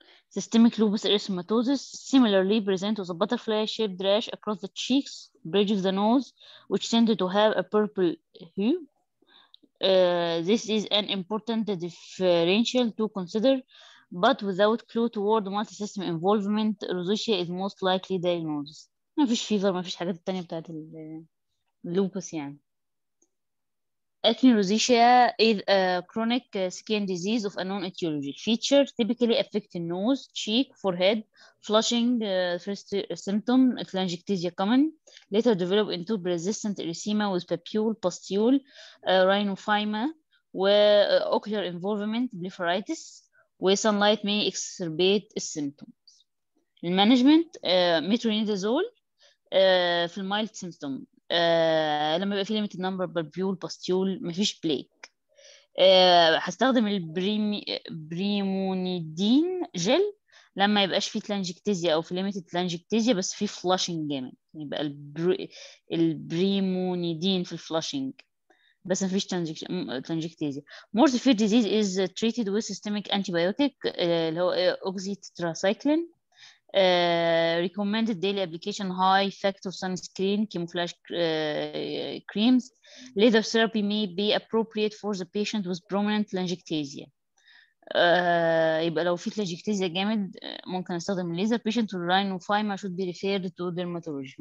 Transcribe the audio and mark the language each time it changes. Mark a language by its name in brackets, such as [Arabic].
[English] Systemic lupus erythematosus similarly presents with a butterfly-shaped rash across the cheeks, bridge of the nose, which tended to have a purple hue. This is an important differential to consider, but without clue toward multi-system involvement, rosacea is most likely diagnosis. [Arabic] ما فيش fever، ما فيش حاجات تانية بتاعت اللوبس يعني. [English] Acne rosacea is a chronic skin disease of a non-etiologic feature, typically affecting nose, cheek, forehead, flushing, first symptom, telangiectasia common, later develop into persistent erythema with papule, pustule, rhinophyma, where ocular involvement, blepharitis, where sunlight may exacerbate symptoms. In management, metronidazole for mild symptoms. [Arabic] لما يبقى في ليميتد نمبر بالبيول باستيول مفيش بلاك، هستخدم البريمونيدين جل لما يبقاش في تلانجكتيزيا او في ليميتد تلانجكتيزيا بس في فلاشنج جامد، يبقى البريمونيدين في الفلاشنج بس مفيش تلانجكتيزيا. [English] مورد في disease is treated with systemic antibiotic [Arabic] اللي هو [English] Oxytetracycline. Recommended daily application high factor sunscreen, camouflage creams. Laser therapy may be appropriate for the patient with prominent telangiectasia. [Arabic] يبقى لو في telangiectasia جامد ممكن استخدم الليزر. [English] Patient with rhinophyma should be referred to dermatologist.